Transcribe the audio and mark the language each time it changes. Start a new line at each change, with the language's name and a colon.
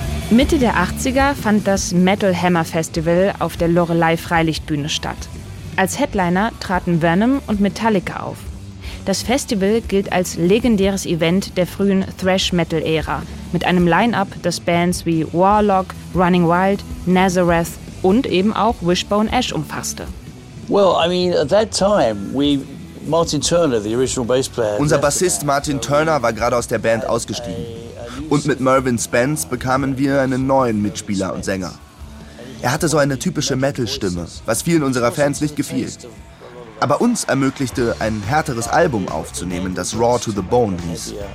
German: Mitte der 80er fand das Metal Hammer Festival auf der Lorelei Freilichtbühne statt. Als Headliner traten Venom und Metallica auf. Das Festival gilt als legendäres Event der frühen Thrash-Metal-Ära mit einem Line-Up, das Bands wie Warlock, Running Wild, Nazareth und eben auch Wishbone Ash umfasste.
English: Well, I mean, at that time we Martin Turner, the original bass player.
German: Unser Bassist Martin Turner war gerade aus der Band ausgestiegen. Und mit Mervyn Spence bekamen wir einen neuen Mitspieler und Sänger. Er hatte so eine typische Metal-Stimme, was vielen unserer Fans nicht gefiel. Aber uns ermöglichte, ein härteres Album aufzunehmen, das Raw to the Bone hieß.